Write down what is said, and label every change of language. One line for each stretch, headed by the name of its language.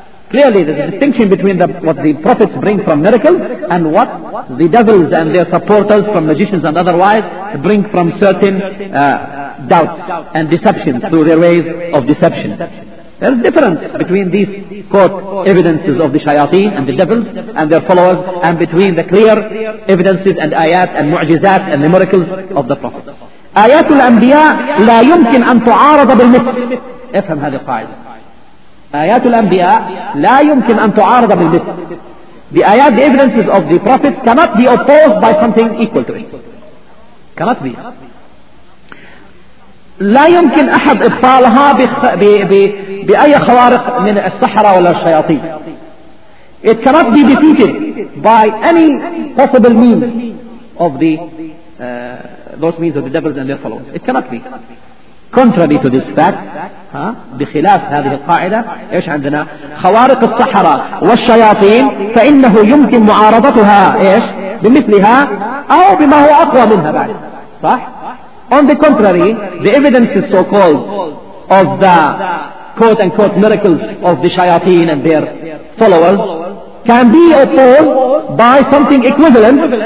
English: Clearly there's a distinction between the, what the prophets bring from miracles and what the devils and their supporters from magicians and otherwise bring from certain doubts and deceptions through their ways of deception. There's a difference between these quote evidences of the shayateen and the devils and their followers and between the clear evidences and ayat and mu'jizat and the miracles of the prophets.
Arabic: آيات الأنبياء لا يمكن أن تعارض بالمثل. افهم هذه القاعدة. آيات الأنبياء لا يمكن أن تعارض بالمثل.
English: The ayat, the evidences of the prophets cannot be opposed by something equal to it. Cannot be.
Arabic: لا يمكن أحد إبطالها بأي خوارق من السحرة ولا الشياطين.
English: It cannot be defeated by any possible means of the those means of the devils and their followers. It cannot be. Contrary to this fact,
Arabic: بخلاف هذه القاعدة, إيش عندنا؟ خوارق السحرة والشياطين فإنه يمكن معارضتها إيش؟ بمثلها أو بما هو أقوى منها بعد.
English: صح؟ On the contrary, the evidences so-called of the quote-unquote miracles of the shayateen and their followers can be opposed by something equivalent.